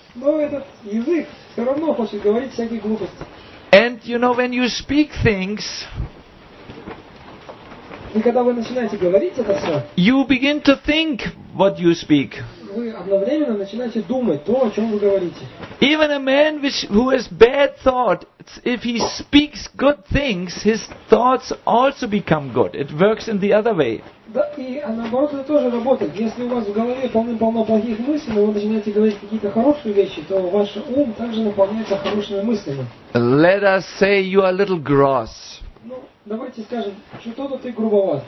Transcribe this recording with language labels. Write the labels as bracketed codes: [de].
[ru] Но этот язык все равно хочет говорить всякие глупости. [en] And you know when you speak things, [ru] и когда вы начинаете говорить это все, [en] you begin to think what you speak. [ru] Вы одновременно начинаете думать то, о чем вы говорите. [en] Even a man who has bad thoughts, if he speaks good things, his thoughts also become good. It works in the other way. [ru] Да, и наоборот, это тоже работает. Если у вас в голове полно плохих мыслей, но вы начинаете говорить какие-то хорошие вещи, то ваш ум также наполняется хорошими мыслями. [en] Let us say you are a little gross. [ru] Ну, давайте скажем, что-то ты грубоват.